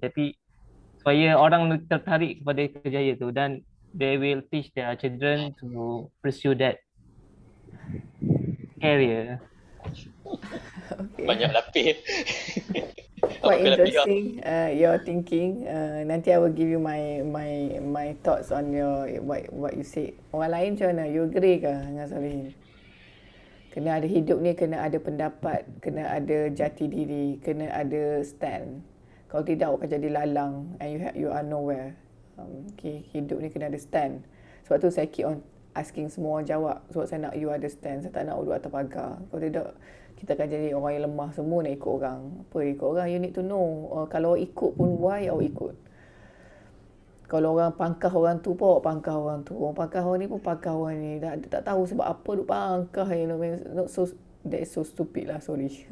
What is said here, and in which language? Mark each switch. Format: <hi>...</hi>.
<ms>Tapi supaya orang tertarik kepada kerjaya tu, dan</ms> <en>they will teach their children to pursue that career.</en> <ms>Okay. Banyak lapis.</ms> <en>Quite interesting your thinking. Nanti I will give you my thoughts on your what you said.</en> <ms>Orang lain macam mana? You agree ke dengan Solihin? Kena ada hidup ni, kena ada pendapat, kena ada jati diri, kena ada stand. Kalau tidak, akan jadi lalang</ms> <en>and you are nowhere.</en> <ms>Okay, hidup ni kena ada stand. Sebab tu saya</ms> <en>keep on asking</en> <ms>semua orang jawab. Sebab saya nak you ada stand, saya tak nak duduk atas pagar. Kalau tidak, kita akan jadi orang yang lemah, semua nak ikut orang. Apa ikut orang,</ms> <en>you need to know.</en> <ms>Kalau ikut pun, why awak ikut? Kalau orang pangkah orang tu pun, pangkah orang tu. Orang pangkah orang ni pun pangkah orang ni. Tak tahu sebab apa duk pangkah.</ms> <en>You know, not so, that is so stupid lah, sorry.</en>